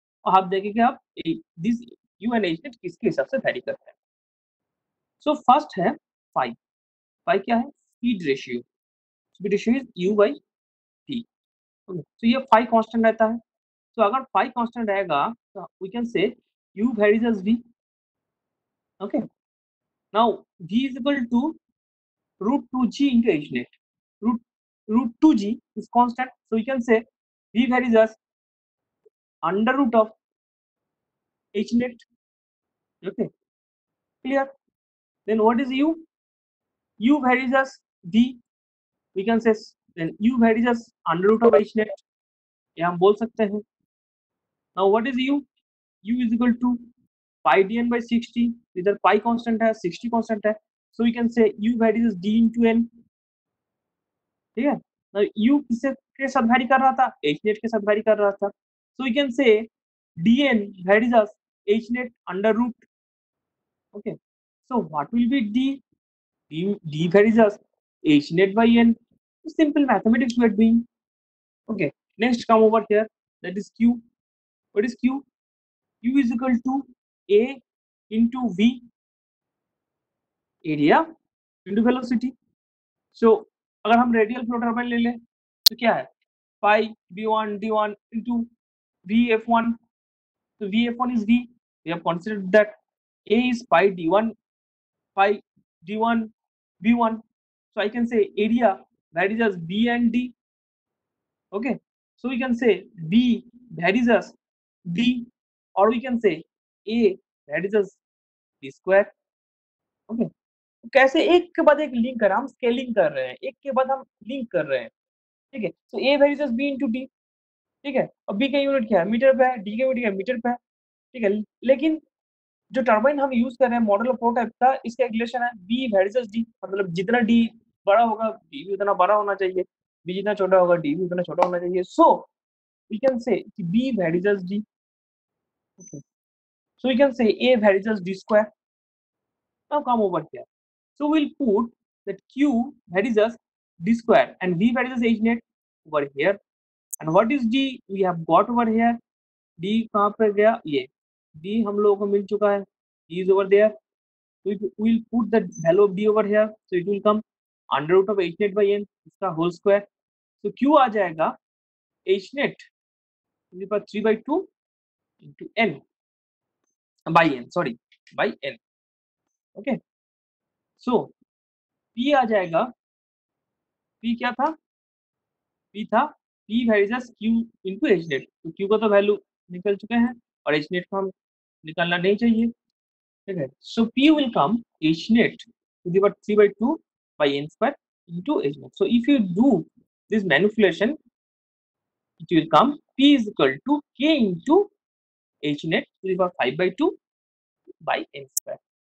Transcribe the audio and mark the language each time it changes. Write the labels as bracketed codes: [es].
[hi] और आप देखेंगे आप this you and H net किसके हिसाब से वेरी करते हैं. सो फर्स्ट है फाइव. फाइव क्या है, speed ratio. [en] Speed ratio is u by p. [hi] तो ये फाइव कॉन्स्टेंट रहता है. तो अगर फाइव कॉन्स्टेंट रहेगा तो [en] We can say u varies as v. Okay. Now v is equal to root 2g into h net. Root 2g is constant. So we can say v varies as under root of h net. Okay. Clear. Then what is u? U varies as v. We can say then u varies as under root of h net. Yeah, [hi] hum bol sakte hain. [en] Now what is u? U is equal to pi dn by 60. [hi] इधर pi constant है, 60 constant है. [en] So we can say U varies d into n. [hi] ठीक है? Now U किसके साथ vary कर रहा था? H net के साथ vary कर रहा था. [en] So we can say dn varies as H net under root. Okay. So what will be d? D varies as H net by n. Simple mathematics we are doing. Okay. Next come over here. That is Q. What is Q? U is equal to A into V, area into velocity. [hi] So, अगर हम radial flow turbine ले लें तो क्या है, pi V1 D1 into VF1. [en] So, VF1 is V, we have considered that A is pi D1 V1. So, I can say area varies as B and D. Okay, so we can say B varies as D. Or we can say A that is a d square. Okay. [hi] कैसे एक के बाद एक link कर रहे हैं, हम scaling कर रहे हैं, एक के बाद हम लिंक कर रहे हैं. ठीक है, [en] So A varies B into D. [hi] ठीक है, और बी का यूनिट क्या है, मीटर पे है, डी का यूनिट क्या है, मीटर पे है. ठीक है, लेकिन जो टर्बाइन हम यूज कर रहे हैं मॉडल ऑफ प्रोटोटाइप का, इसका रिलेशन है [en] B varies D. [hi] मतलब जितना डी बड़ा होगा बी भी उतना बड़ा होना चाहिए, बी जितना छोटा होगा डी भी उतना छोटा होना चाहिए. [en] So we can say B varies D. Okay. So we can say A varies as D square. Now come over here. So we'll put that Q varies as D square and V varies as H net over here. And what is D we have got over here? [hi] D कहाँ पे गया? ये D हम लोगों को मिल चुका है. [en] D is over there. So we'll put the value of D over here. So it will come under root of H net by N, इसका whole square. [hi] So Q आ जाएगा H net इसके पास 3 by 2 into n by n, sorry, by n. Okay, so p आ जाएगा, p क्या था, p था [en] p varies as q into h net. [hi] तो q का तो वैल्यू निकल चुके हैं और h net को हम निकालना नहीं चाहिए. ठीक है, [en] So p will come h net to the power 3 by 2 by n square into h net. So if you do this manipulation it will come p is equal to k into h net to the power 5 by 2 by n square.